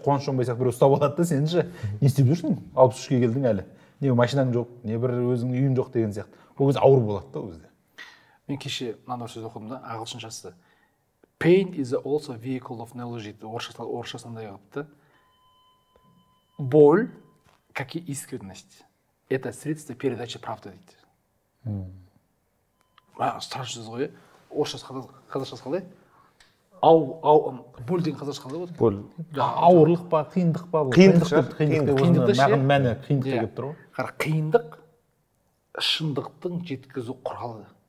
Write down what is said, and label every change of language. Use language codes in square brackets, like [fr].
[kk] Қуаныш жолмен сияқты біреу ұстап алады да, сен ше не істеп жүрсің, 63-ге келдің әлі, не машинаң жоқ, не бір өзің үйің жоқ деген сияқты. Ол кезде ауыр болады да ол кезде. Мен кеше мынандай сөз оқыдым да, ағылшыншасы. [en] Pain is also a vehicle of knowledge, [kk] орысша сондай қылыпты. [ru] Боль, как и искренность, это средство передачи правды дейді. [kk] Страшный сөз ғой, қазақшасы қалай? Боль деген қазақша қалай болады? [ru] Боль. [kk] Ауырлық па, қиындық па? Қиындық па? Қиындық па? Мәні қиындық па? Қара, қиындық шындықтың жеткізу құралы.